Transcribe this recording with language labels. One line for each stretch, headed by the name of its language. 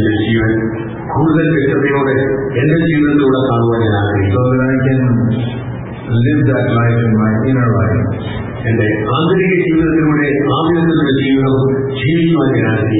Malayalam: ജീവൻ കൂടുതൽ വ്യക്തതയോടെ എന്റെ ജീവിതത്തിലൂടെ കാണുവാൻ ഞാൻ ആഗ്രഹിക്കുന്നു.
English: Live that life in my inner life.
Malayalam: എന്റെ ആന്തരിക ജീവിതത്തിലൂടെ ആവിനുള്ള ജീവിതം ജീവിക്കുവാൻ ഞാൻ